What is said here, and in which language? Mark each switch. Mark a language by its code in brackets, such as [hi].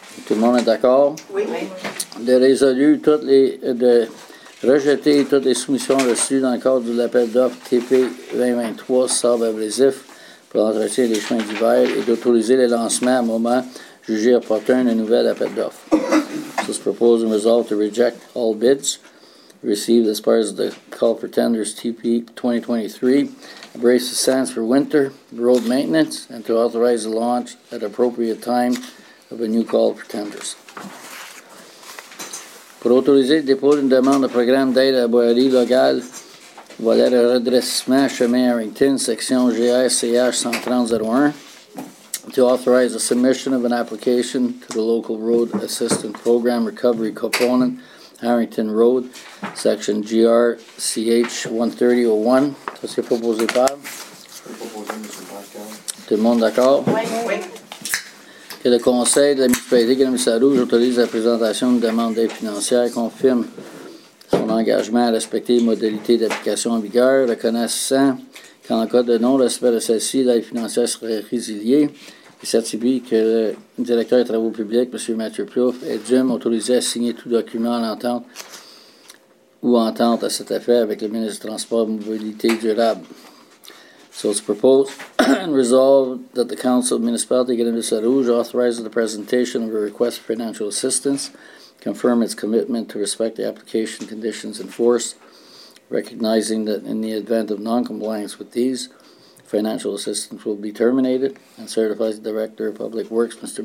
[fr] Tout le monde est d'accord? Oui. De résoudre toutes les. De rejeter toutes les soumissions reçues dans le cadre de l'appel d'offres TP 2023 sable abrasif pour l'entretien des chemins d'hiver et d'autoriser les lancements à un moment jugé opportun d'un nouvel appel d'offres. [en] This is proposed and resolved to reject all bids received as part of the call for tenders TP 2023 abrasive sands for winter road maintenance and to authorize the launch at appropriate time of a new call for tenders. [fr] Pour autoriser le dépôt d'une demande de programme d'aide à la boirie locale, volet de redressement chemin Harrington, section GISCH 130-01. [en] To authorize the submission of an application to the Local Road Assistance Program Recovery Component, Harrington Road, Section GRCH 130-01. [fr] Ça, c'est proposé par? Je peux proposer, M. Pascal. Tout le monde d'accord? Oui. Que le Conseil de la municipalité de Missarouge autorise la présentation d'une demande d'aide financière et confirme son engagement à respecter les modalités d'application en vigueur, reconnaissant qu'en cas de non-respect de celle-ci, l'aide financière serait résiliée. Il certifie que le directeur des travaux publics, M. Mathieu Plouffe, est dûment autorisé à signer tout document en entente ou entente à cet effet avec le ministre des Transports et Mobilité Durable. [en] So it's proposed and resolved that the Council of Municipality de Missarouge authorizes the presentation of a request for financial assistance, confirm its commitment to respect the application conditions in force, recognizing that in the event of non-compliance with these, financial assistance will be terminated, and certifies the Director of Public Works, Mr.